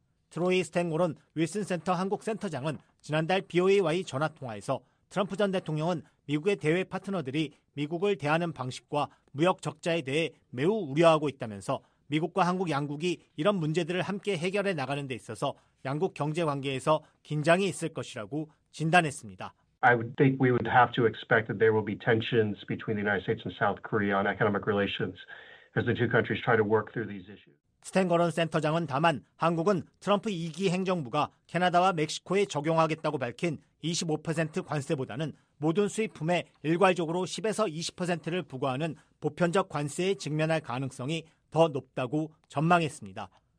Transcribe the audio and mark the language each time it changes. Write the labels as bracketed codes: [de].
[ko] 트로이 스탱골은 윌슨센터 한국센터장은 지난달 BOA와의 전화통화에서 트럼프 전 대통령은 미국의 대외 파트너들이 미국을 대하는 방식과 무역 적자에 대해 매우 우려하고 있다면서 미국과 한국 양국이 이런 문제들을 함께 해결해 나가는 데 있어서 양국 경제 관계에서 긴장이 있을 것이라고 진단했습니다. [en] I would think we would have to expect that there will be tensions between the United States and South Korea on economic relations as the two countries try to work through these issues. [ko] 스탱거런 센터장은 다만 한국은 트럼프 2기 행정부가 캐나다와 멕시코에 적용하겠다고 밝힌 25% 관세보다는 모든 수입품에 일괄적으로 10에서 20%를 부과하는 보편적 관세에 직면할 가능성이 더 높다고 전망했습니다.